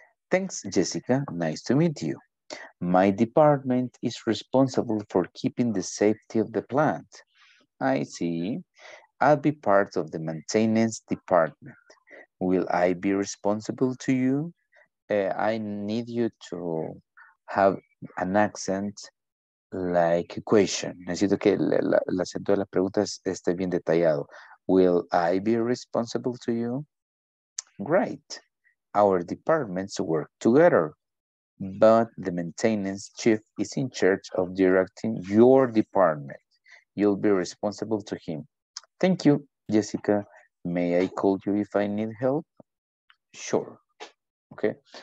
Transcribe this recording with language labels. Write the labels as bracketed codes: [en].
[en] Thanks, Jessica. Nice to meet you. My department is responsible for keeping the safety of the plant. I see. I'll be part of the maintenance department. Will I be responsible to you? I need you to have an accent like a question. [es] Necesito que el acento de las preguntas esté bien detallado. [en] Will I be responsible to you? Great. Our departments work together, but the maintenance chief is in charge of directing your department. You'll be responsible to him. Thank you, Jessica. May I call you if I need help? Sure. Okay.